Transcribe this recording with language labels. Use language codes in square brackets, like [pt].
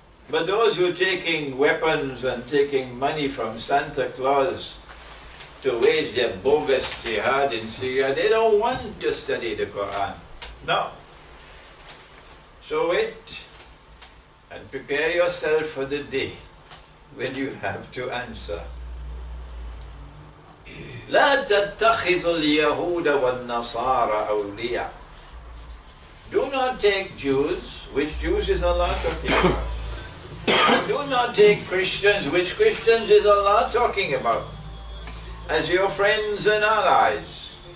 [en] But those who are taking weapons and taking money from Santa Claus to wage their bogus jihad in Syria, they don't want to study the Quran. No. So wait and prepare yourself for the day when you have to answer. [ar] لا تتخذ اليهود والنصارى أولياء. [en] Do not take Jews, which Jews is a lot of people. Do not take Christians is Allah talking about, as your friends and allies.